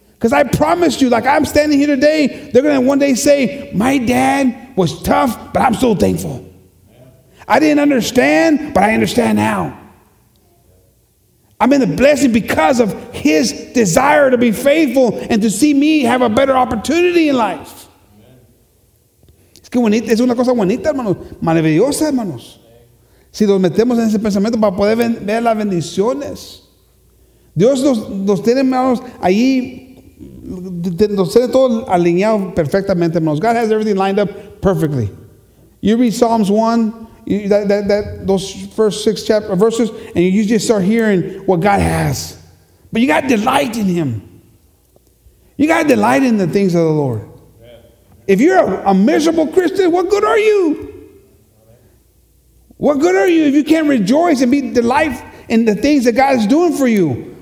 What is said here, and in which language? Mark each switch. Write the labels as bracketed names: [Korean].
[English] Because I promised you, like I'm standing here today, they're going to one day say, my dad was tough, but I'm still thankful. I didn't understand, but I understand now. I'm in the blessing because of his desire to be faithful and to see me have a better opportunity in life. [Spanish] Es que bonita, es una cosa bonita, hermanos. Maravillosa, hermanos. Si nos metemos en ese pensamiento para poder ver las bendiciones. Dios nos tiene, hermanos, ahí, nos tiene todo alineado perfectamente, hermanos. [English] God has everything lined up perfectly. You read Psalms 1. Those first six chapter verses, and you just start hearing what God has. But you got delight in him. You got delight in the things of the Lord. If you're a miserable Christian, what good are you? What good are you if you can't rejoice and be delight in the things that God is doing for you?